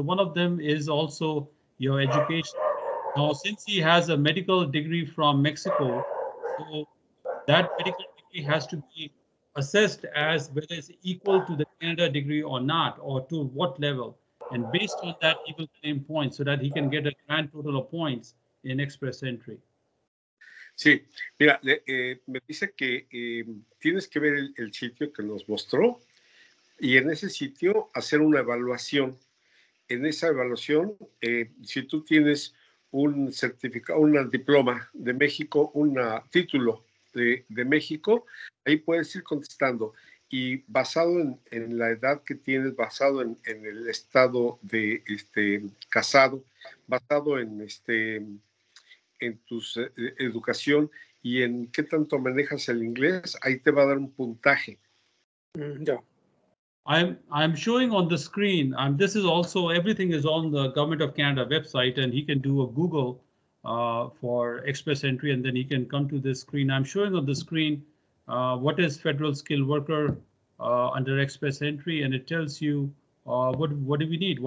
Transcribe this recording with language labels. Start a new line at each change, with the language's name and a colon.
English: So one of them is also your education. Now, since he has a medical degree from Mexico, so that medical degree has to be assessed as whether it's equal to the Canada degree or not, or to what level. And based on that, he will claim points so that he can get a grand total of points in express entry.
Spanish: Sí, mira, me dice que tienes que ver el sitio que nos mostró y en ese sitio hacer una evaluación. En esa evaluación, si tú tienes un certificado, un diploma de México, un título de México, ahí puedes ir contestando. Y basado en la edad que tienes, basado en el estado de casado, basado en tu educación y en qué tanto manejas el inglés, ahí te va a dar un puntaje.
English: Yeah. I'm showing on the screen, and this is also, everything is on the Government of Canada website, and he can do a Google for express entry, and then he can come to this screen. I'm showing on the screen what is federal skilled worker under express entry, and it tells you what do we need?